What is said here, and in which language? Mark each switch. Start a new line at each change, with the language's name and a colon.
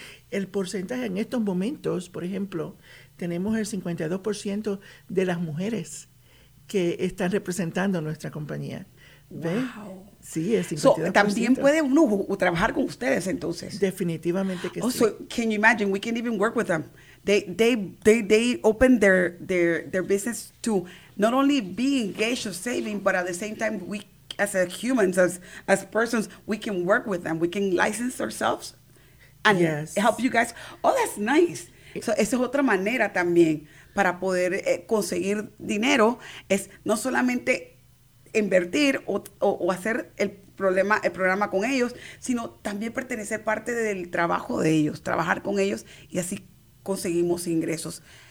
Spanish: El porcentaje en estos momentos, por ejemplo, tenemos el 52% de las mujeres que están representando nuestra compañía. ¿Ve?
English: Wow.
Spanish: Sí, es 52%. So, también puede uno trabajar con ustedes entonces. Definitivamente que oh, sí.
English: So, can you imagine? We can even work with them. They open their business to not only be engaged or saving, but at the same time, we as a humans, as persons, we can work with them. We can license ourselves and yes. help you guys. Oh, that's nice.
Spanish: So, esa es otra manera también para poder conseguir dinero. Es no solamente invertir o hacer el programa con ellos, sino también pertenecer parte del trabajo de ellos, trabajar con ellos y así conseguimos ingresos.